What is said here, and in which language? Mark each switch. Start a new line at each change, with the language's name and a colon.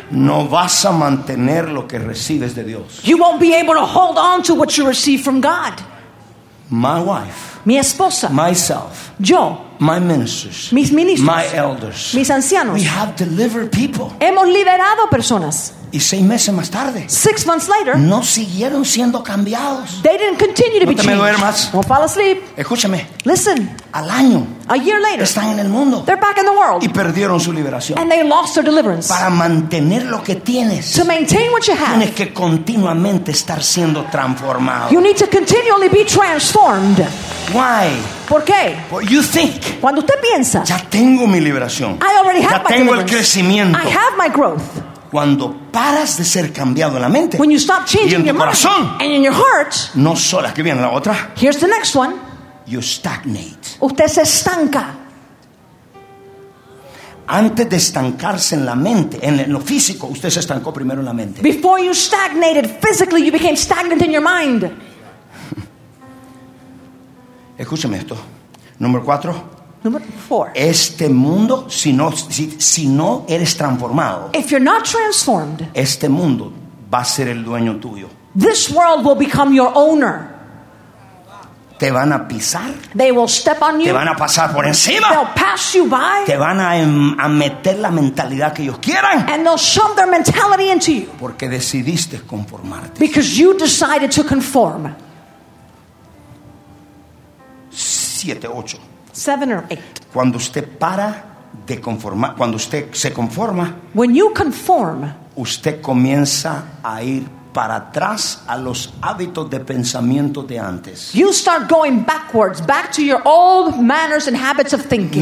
Spanish: no vas a mantener lo que recibes de Dios.
English: You won't be able to hold on to what you receive from God. My wife,
Spanish: mi esposa,
English: myself,
Spanish: yo,
English: my ministers,
Spanish: mis ministros,
English: my elders,
Spanish: mis ancianos.
English: We have delivered people.
Spanish: Hemos liberado personas. Y 6 meses más tarde,
English: 6 months later,
Spanish: no siguieron siendo cambiados.
English: They didn't continue to
Spanish: no
English: be changed.
Spanish: No te me duermas.
English: Don't fall asleep.
Spanish: Escúchame.
English: Listen.
Spanish: Al año,
English: a year later,
Spanish: están en el mundo.
English: They're back in the world.
Spanish: Y perdieron su liberación.
English: And they lost their deliverance.
Spanish: Para mantener lo que tienes,
English: to maintain what you have,
Spanish: tienes que continuamente estar siendo transformado.
English: You need to continually be transformed. Why?
Spanish: ¿Por qué?
English: What you think?
Spanish: Cuando usted piensa, ya tengo mi liberación.
English: I already have my
Spanish: tengo deliverance. El crecimiento.
English: I have my growth.
Spanish: Cuando paras de ser cambiado en la mente,
English: when you stop changing
Spanish: y en tu
English: your
Spanish: corazón,
English: mind, and in your heart,
Spanish: no solo, aquí viene la otra.
English: Here's the next one. You stagnate.
Spanish: Usted se estanca. Antes de estancarse en la mente, en lo físico, usted se estancó primero en la mente.
English: Before you stagnated physically, you became stagnant in your mind.
Spanish: Escúchame esto. Número cuatro.
English: Number four.
Spanish: Este mundo, si no eres transformado,
English: if you're not transformed,
Spanish: este mundo va a ser el dueño tuyo.
English: This world will become your owner.
Spanish: Te van a pisar.
English: They will step on you.
Spanish: Te van a pasar por encima.
English: They'll pass you by.
Spanish: Te van a meter la mentalidad que ellos quieran.
English: And they'll shove their mentality into you.
Spanish: Porque decidiste conformarte.
English: Because you decided to conform.
Spanish: 7, 8.
English: 7 or 8.
Spanish: Cuando usted para de conformar, cuando usted se conforma,
English: when you conform,
Spanish: usted comienza a ir para atrás a los hábitos de pensamiento de antes.
English: You start going backwards, back to your old manners and habits of thinking.